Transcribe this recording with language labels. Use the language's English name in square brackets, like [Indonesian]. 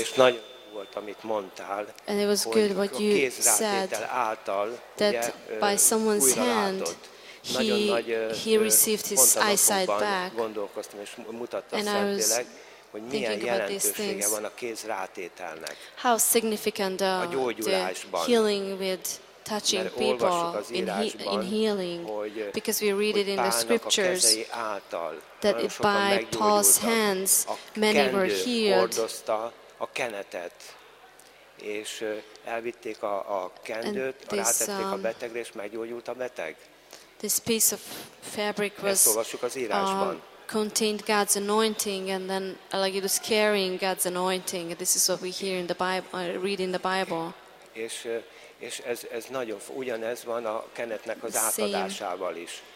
[Hungarian] És nagyon jó volt, amit mondtál, [English] and it was good what you said, [Hungarian] által, [English] that [Hungarian] ugye, [English] by someone's hand he received his eyesight back. [Hungarian] Gondolkoztam és mutatta szentileg, hogy milyen jelentősége van a kézrátételnek. [English] How significant the healing with touching people in healing, because we read it in the scriptures that by Paul's hands many were healed, and this piece of fabric was contained God's anointing, and then like it was carrying God's anointing. This is what we hear in the Bible, read in the Bible. [Hungarian] és ez nagyon ugyanez van a kenetnek az átadásával is.